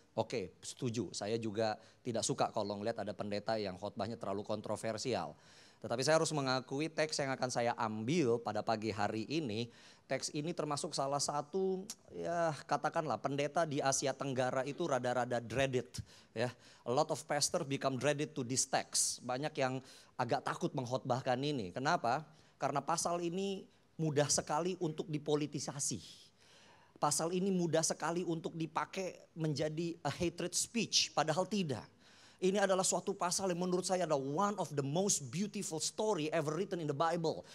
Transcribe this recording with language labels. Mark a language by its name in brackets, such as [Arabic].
[Indonesian] Oke, setuju, saya juga tidak suka kalau ngeliat ada pendeta yang khotbahnya terlalu kontroversial. Tetapi saya harus mengakui teks yang akan saya ambil pada pagi hari ini, teks ini termasuk salah satu, ya katakanlah pendeta di Asia Tenggara itu rada-rada dreaded. Ya. [English] A lot of pastors become dreaded to this text. [Indonesian] Banyak yang agak takut mengkhotbahkan ini. Kenapa? Karena pasal ini mudah sekali untuk dipolitisasi. Pasal ini mudah sekali untuk dipakai menjadi [English] a hatred speech, [Indonesian] padahal tidak. Ini adalah suatu pasal yang menurut saya adalah [English] one of the most beautiful story ever written in the Bible.